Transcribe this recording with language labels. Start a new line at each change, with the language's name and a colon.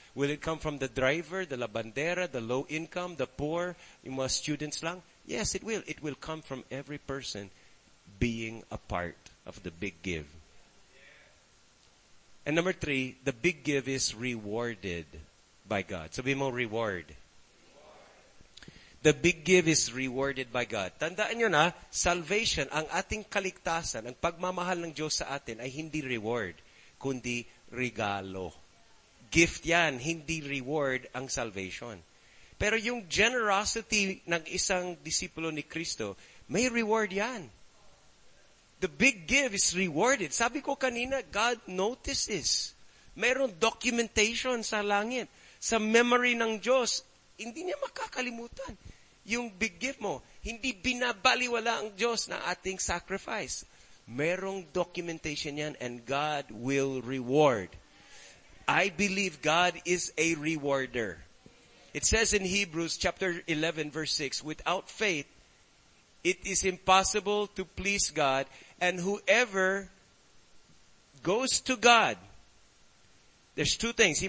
English: Will it come from the driver, the labandera, the low income, the poor,
Filipino: yung mga students lang?
English: Yes, it will. It will come from every person being a part of the big give. And number three, the big give is rewarded by God.
Filipino: Sabi mo,
English: reward. The big give is rewarded by God.
Filipino: Tandaan nyo na, salvation, ang ating kaligtasan, ang pagmamahal ng Diyos sa atin ay hindi reward, kundi regalo. Gift yan, hindi reward ang salvation. Pero yung generosity ng isang disipulo ni Kristo, may reward yan.
English: The big give is rewarded.
Filipino: Sabi ko kanina,
English: God notices.
Filipino: Mayroong documentation sa langit. Sa memory ng Diyos, hindi niya makakalimutan yung big give mo. Hindi binabaliwala ang Diyos na ating sacrifice. Merong
English: documentation yan and God will reward. I believe God is a rewarder. It says in Hebrews chapter 11, verse 6, without faith, it is impossible to please God, and whoever goes to God, there's two things.